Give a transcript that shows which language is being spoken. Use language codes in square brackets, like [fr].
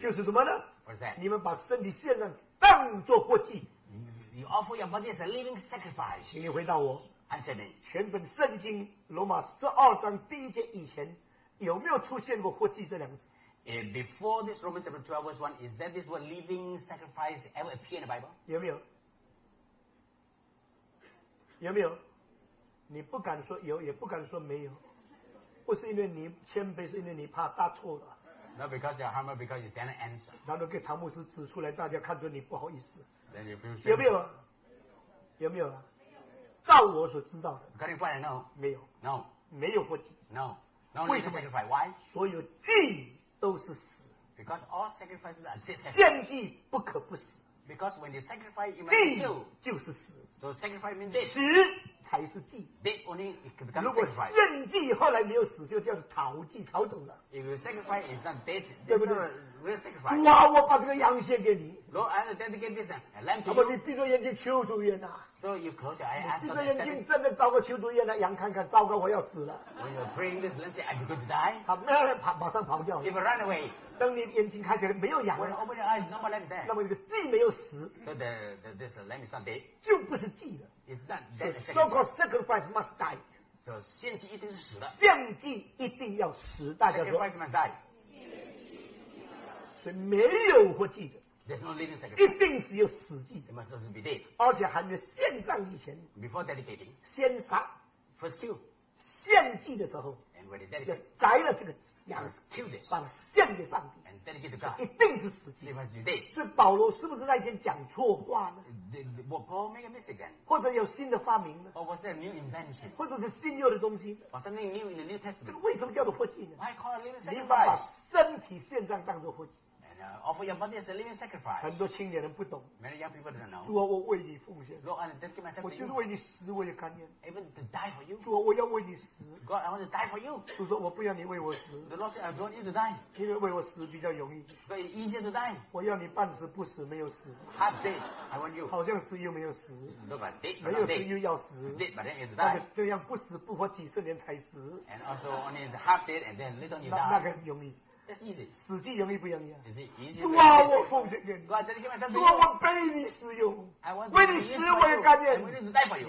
[zh] 就是什么呢？你们把身体献上，当作活祭。 [en] You offer your body as a living sacrifice. [zh] 请你回答我。 [en] I said it. [zh] 全本圣经罗马12章第一节以前有没有出现过活祭这两个字？ [en] Before this Romans chapter 12 verse 1, is that this word living sacrifice ever appear in the Bible? [zh] 有没有？有没有？你不敢说有，也不敢说没有，不是因为你谦卑，是因为你怕答错了。 [en] Not because you're humble, because you didn't answer. [zh] 然后给唐牧师指出来，大家看着你不好意思。 [en] Then you feel shame. [zh] 有没有？有没有？照我所知道的。 [en] What I know? [zh] 没有。 [en] No. [zh] 没有活祭。 [en] No. No. [zh] 为什么？ [en] Why? [zh] 所有祭都是死。 [en] Because all sacrifices are dead. [zh] 献祭不可不死。 [en] Because when you sacrifice, you must kill. [zh] 祭就是死。 [en] So sacrifice means dead. [zh] 死才是祭。 [en] Dead only it can become. [zh] 如果献祭后来没有死，就叫做逃祭逃走了。 [en] If you sacrifice is not dead, [zh] 对不对？主啊，我把这个羊献给你。 [en] Lord, I dedicate this lamb to you. [zh] 那么你闭着眼睛求主耶呐。 [en] So you close your eyes. [zh] 闭着眼睛真的找个求主耶那羊看看，糟糕，我要死了。 [en] When you bring this lamb, I'm going to die. [zh] 他马上跑掉。 [en] If you run away. [zh] 等你眼睛开起来，没有羊了， [en] open your eyes, no more lamb there. [zh] 那么这个祭没有死， [en] so the this lamb is not dead. [zh] 就不是祭的。 [en] It's not dead. So so-called sacrifice must die. [zh] So 献祭一定是死的。献祭一定要死，大家说。 [en] Sacrifice must die. [zh] 所以没有活祭的。 [en] There's no living sacrifice. [zh] 一定是有死祭。 [en] It must also be dead. [zh] 而且还没献上以前。 [en] Before dedicating. [zh] 先杀。 [en] First kill. [zh] 献祭的时候 [en] and when he dedicate, [zh] 就摘了这个羊把它献给上帝 [en] and dedicate to God, [zh] 一定是死祭。所以保罗是不是在一天讲错话呢？ [en] Will Paul make a mistake then? [zh] 或者有新的发明呢？ [en] Or was there a new invention? [zh] 或者是新又的东西？ [en] Or something new in the New Testament? [zh] 这个为什么叫做活祭呢？ [en] Why call it a living sacrifice? [zh] 你把身体献上当作活祭。 [en] Offer your body as a living sacrifice. [zh] 很多青年人不懂。 [en] Many young people don't know. [zh] 主啊，我为你奉献。 [en] Lord, I'm dedicating myself to you. [zh] 我就是为你死，我也甘愿。 [en] Even to die for you. [zh] 主啊，我要为你死。 [en] God, I want to die for you. [zh] 主说，我不要你为我死。 [en] The Lord said, I want you to die. [zh] 因为为我死比较容易。 [en] But easier to die. [zh] 我要你半死不死，没有死。 [en] Half dead, I want you. [zh] 好像死又没有死。 [en] Look at dead, [zh] 没有死又要死。 [en] Dead, but then you die. [zh] 这样不死不活几十年才死。 [en] And also only the half dead, and then later you die. [zh] 那个容易。 [en] That's easy. [zh] 死祭容易不容易啊？ [en] Is it easy? [zh] 主啊，我奉献给你。 [en] God, dedicate myself to [zh] you. 主啊，我被你使用。 [en] I want [zh] 为你死，我也甘愿。 [en] I'm willing to die for you.